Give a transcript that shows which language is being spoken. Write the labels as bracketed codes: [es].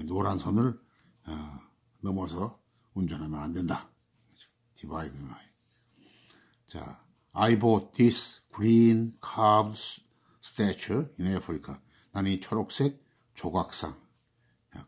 [ko] 노란 선을 넘어서 운전하면 안 된다. 그렇죠? dividing line. 자, [en] I bought this green carved statue in Africa. [ko] 나는 이 초록색 조각상 예.